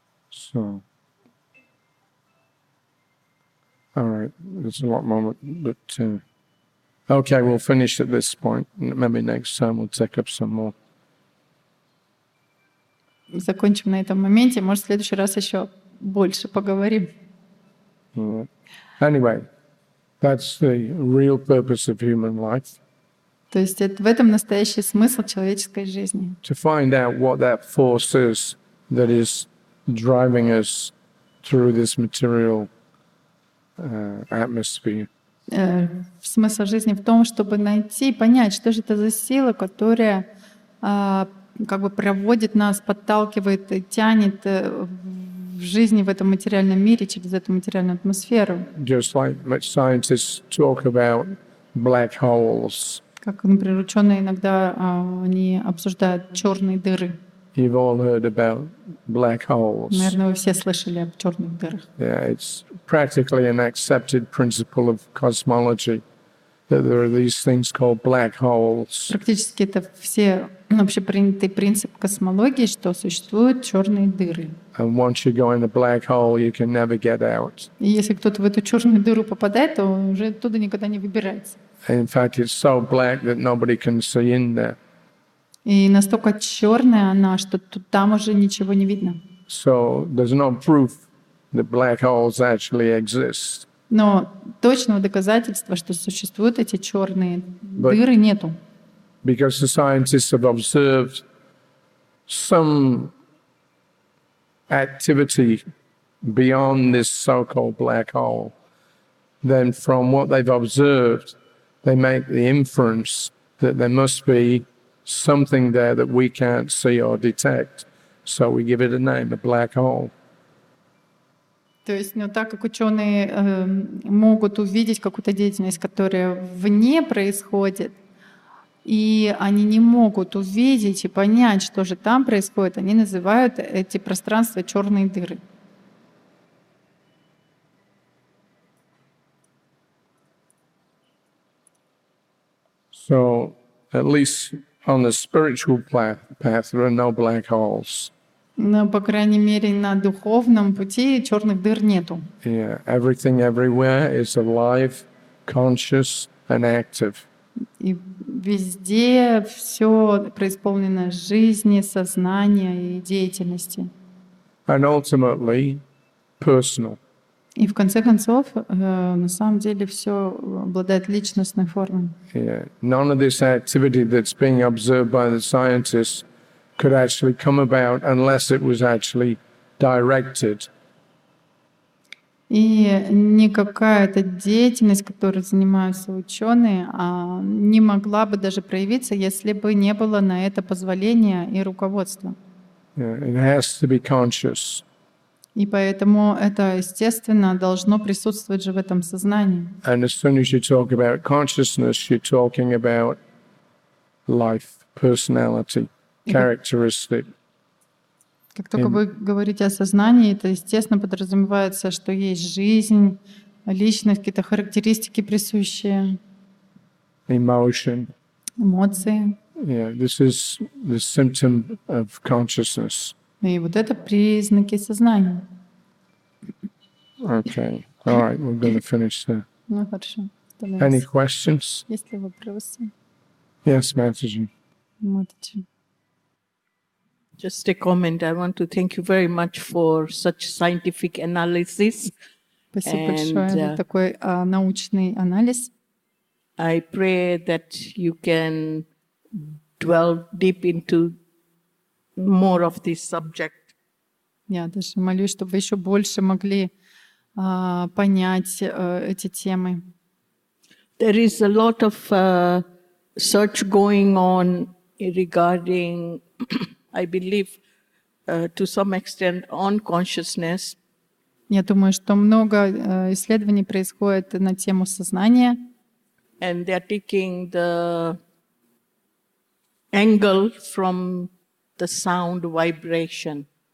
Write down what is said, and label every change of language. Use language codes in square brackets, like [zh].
[en] So. All right, there's a lot more, but okay, we'll finish at this point. Maybe next time we'll take up some more. [ru] Закончим на этом моменте. Может, в следующий раз еще больше поговорим. [en] Anyway, that's the real purpose of human life. [ru] То есть это в этом настоящий смысл человеческой жизни. [en] To find out what that force is that is driving us through this material atmosphere. [ru] Смысл жизни в том, чтобы найти, понять, что же это за сила, которая как бы проводит нас, подталкивает, тянет в жизни в этом материальном мире через эту материальную атмосферу. [en] Just like scientists talk about black holes. [ru] Как, например, ученые иногда они обсуждают черные дыры. [en] You've all heard about black holes. [ru] Наверное, вы все слышали об черных дырах. [en] Yeah, it's practically an accepted principle of cosmology that there are these things called black holes. [ru] Практически это все общепринятый принцип космологии, что существуют черные дыры. [en] And once you go in a black hole, you can never get out. [ru] И если кто-то в эту черную дыру попадает, то он уже оттуда никогда не выбирается. [en] In fact, it's so black that nobody can see in there. [ru] И настолько черная она, что тут там уже ничего не видно. [en] So there's no proof that black holes actually exist. [ru] Но точного доказательства, что существуют эти черные дыры, нету. [en] Because the scientists have observed some activity beyond this so-called black hole, then from what they've observed, they make the inference that there must be something there that we can't see or detect. So we give it a name, a black hole. [ru] То есть, ну, так как ученые могут увидеть какую-то деятельность, которая вне происходит, и они не могут увидеть и понять, что же там происходит, они называют эти пространства черные дыры. [en] So, at least on the spiritual path, there are no black holes. [ru] Но, по крайней мере, на духовном пути черных дыр нету. [en] Yeah, everything everywhere is alive, conscious, and active. [ru] И везде все преисполнено жизни, сознания и деятельности. [en] And ultimately, personal. [ru] И в конце концов, на самом деле, все обладает личностной формой. [en] Yeah. None of this activity that's being observed by the scientists could actually come about unless it was actually directed. [ru] И никакая эта деятельность, которой занимаются ученые, не могла бы даже проявиться, если бы не было на это позволения и руководства. [en] It has to be conscious. [ru] И поэтому это, естественно, должно присутствовать же в этом сознании. [en] And as soon as you talk about consciousness, you're talking about life, personality, characteristic. [ru] Как только вы говорите о сознании, это, естественно, подразумевается, что есть жизнь, личность, какие-то характеристики присущие. [en] Emotion. [ru] Эмоции. [en] Yeah, this is the symptom of consciousness. [ru] И вот это признаки сознания. [en] Okay, all right, we're going to finish there. [ru] Ну, хорошо. [en] Any questions? [ru] Есть ли вопросы? [en] Yes, Матиджи. [ru] Матиджи. [en] Just a comment. I want to thank you very much for such scientific analysis. [ru] Спасибо большое за такой научный анализ. [en] I pray that you can dwell deep into more of this subject. [ru] Я даже молюсь, чтобы вы еще больше могли понять эти темы. [en] There is a lot of search going on regarding I believe, to some extent, on consciousness. [ru] Я думаю, что много исследований происходит на тему сознания. [en] And they are taking the angle from the sound vibration.